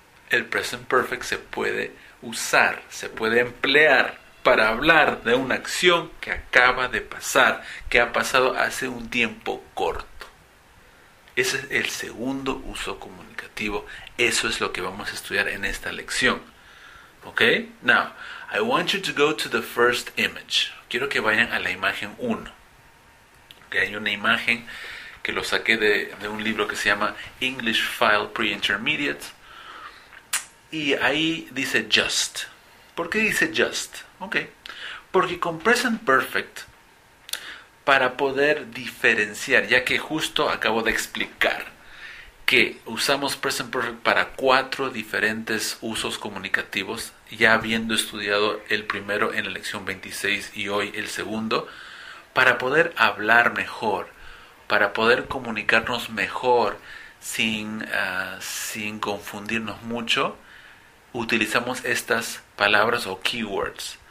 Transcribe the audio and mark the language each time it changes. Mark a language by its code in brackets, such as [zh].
[es] El present perfect se puede usar, se puede emplear para hablar de una acción que acaba de pasar, que ha pasado hace un tiempo corto. Ese es el segundo uso comunicativo. Eso es lo que vamos a estudiar en esta lección. ¿Ok? [en] Now, I want you to go to the first image. [es] Quiero que vayan a la imagen 1. Okay, hay una imagen que lo saqué de un libro que se llama English File Pre-Intermediate. Y ahí dice just. ¿Por qué dice just? Ok. Porque con present perfect, para poder diferenciar, ya que justo acabo de explicar que usamos present perfect para 4 diferentes usos comunicativos, ya habiendo estudiado el primero en la lección 26 y hoy el segundo, para poder hablar mejor, para poder comunicarnos mejor sin confundirnos mucho, utilizamos estas palabras o keywords.